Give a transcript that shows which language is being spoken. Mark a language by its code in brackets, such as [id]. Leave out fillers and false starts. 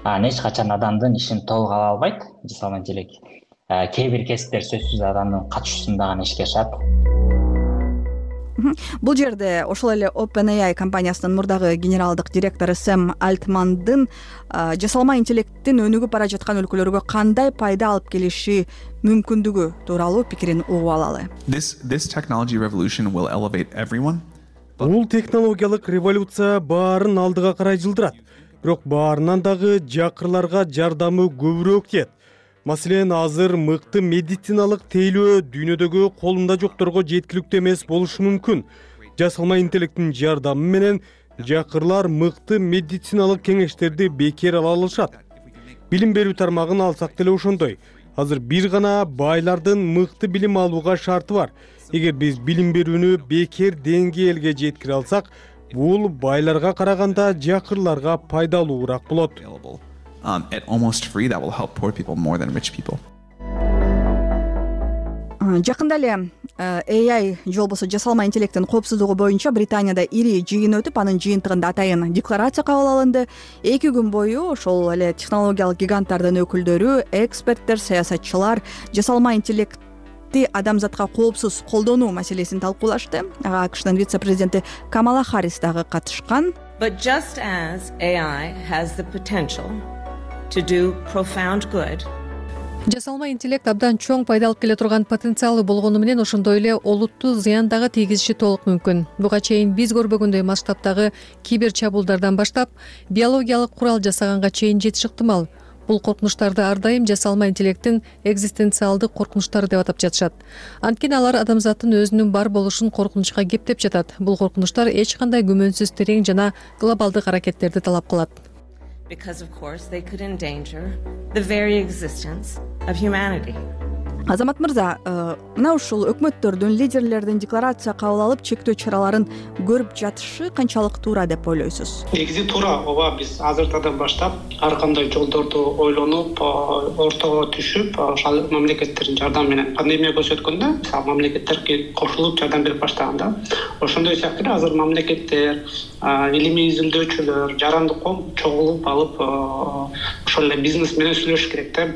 [ky] Эч качан адамдын ишин толук ала албайт жасалма интеллект. Кээ бир кесиптер сөзсүз адамдын катышуусунда гана иштешет. Бул жерде ошол эле OpenAI компаниясынын мурдагы генералдык директору Сэм Альтмандын жасалма интеллекттин өнүгүп бара жаткан өлкөлөргө кандай пайда алып келиши мүмкүндүгү тууралуу пикирин угуп алалы. [en] This technology revolution will elevate everyone. [ky] Бул технологиялык революция баарын алдыга карай жылдырат. Бирок баарынан дагы жакырларга жардамы көбүрөөк тиет. Маселен, азыр мыкты медициналык тейлөө дүйнөдөгү колунда жокторго жеткиликтүү эмес болушу мүмкүн. Жасалма интеллекттин жардамы менен жакырлар мыкты медициналык кеңештерди бекер ала алышат. Билим берүү тармагын алсак деле ошондой. Азыр бир гана байлардын мыкты билим алууга шарты бар. Эгер биз билим берүүнү бекер деңгээлге жеткире алсак, бул байларга караганда жакырларга пайдалуураак болот. [en] At almost free that will help poor people more than rich people. [ky] Жакында эле AI же болбосо жасалма интеллекттин коопсуздугу боюнча Британияда ири жыйын өтүп, анын жыйынтыгында атайын декларация кабыл алынды. 2 күн бою ошол эле технологиялык гиганттардын өкүлдөрү, эксперттер, саясатчылар жасалма интеллект адамзатка коопсуз колдонуу маселесин талкуулашты. Ага АКШнын вице-президенти Камала Харрис дагы катышкан. [en] But just as AI has the potential to do profound good. [ky] Жасалма интеллект абдан чоң пайда алып келе турган потенциалы болгону менен ошондой эле олуттуу зыян дагы тийгизиши толук мүмкүн. Буга чейин биз көрбөгөндөй масштабтагы кибер чабуулдардан баштап, биологиялык курал жасаганга чейин жетиши ыктымал. Бул коркунучтарды ар дайым жасалма интеллекттин экзистенциалдык коркунучтары деп атап жатышат. Анткени алар адамзаттын өзүнүн бар болушун коркунучка кептеп жатат. Бул коркунучтар эч кандай күмөнсүз терең жана глобалдык аракеттерди талап кылат. [en] Because of course they could endanger the very existence of humanity. [ky] Азамат мырза, мына ушул өкмөттөрдүн, лидерлердин декларация кабыл алып, чектөө чараларын көрүп жатышы канчалык туура деп ойлойсуз? Негизи туура, ооба, биз азыртадан баштап ар кандай жолдорду ойлонуп, ортого түшүп, ошол мамлекеттердин жардамы менен пандемия көрсөткөндө, мисалы, мамлекеттер кошулуп жардам берип баштаганда, ошондой сыяктуу эле азыр мамлекеттер, илимий изилдөөчүлөр, жарандык коом чогулуп алып, ошол эле бизнес менен сүйлөшүш керек да.